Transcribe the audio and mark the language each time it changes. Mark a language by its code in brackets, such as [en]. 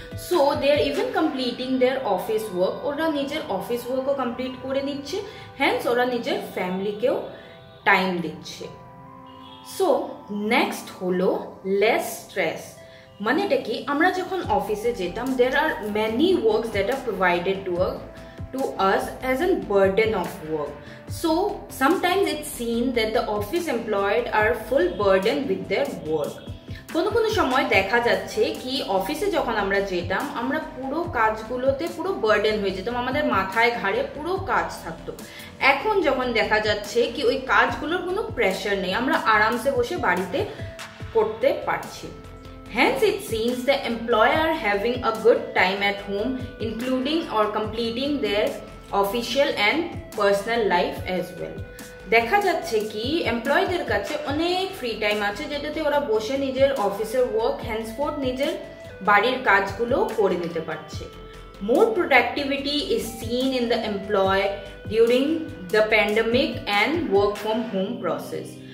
[en] so they are even completing their office work, [bn] ওরা নিজের office ওয়ার্কও complete করে নিচ্ছে, হ্যান্স ওরা নিজের ফ্যামিলিকেও টাইম দিচ্ছে। সো নেক্সট হলো লেস স্ট্রেস, মানে এটা কি আমরা যখন অফিসে যেতাম, [en] There are many works that are provided to uh to us as a burden of work. So sometimes it's seen that the office employed are full burden with their work. [bn] কোনো কোনো সময় দেখা যাচ্ছে কি অফিসে যখন আমরা যেতাম, আমরা পুরো কাজগুলোতে পুরো বার্ডেন হয়ে যেতাম, আমাদের মাথায় ঘাড়ে পুরো কাজ থাকতো। এখন যখন দেখা যাচ্ছে কি ওই কাজগুলোর কোনো প্রেশার নেই, আমরা আরামসে বসে বাড়িতে করতে পারছি। [en] Hence it seems the employer having a good time at home including or completing their official and personal life as well. [bn] দেখা যাচ্ছে কি এমপ্লয়ীদের কাছে অনেক ফ্রি টাইম আছে যেটাতে ওরা বসে নিজের অফিসের ওয়ার্ক, হ্যান্ডসফোর্ড নিজের বাড়ির কাজগুলো করে নিতে পারছে। [en] More productivity is seen in the employee during the pandemic and work from home process.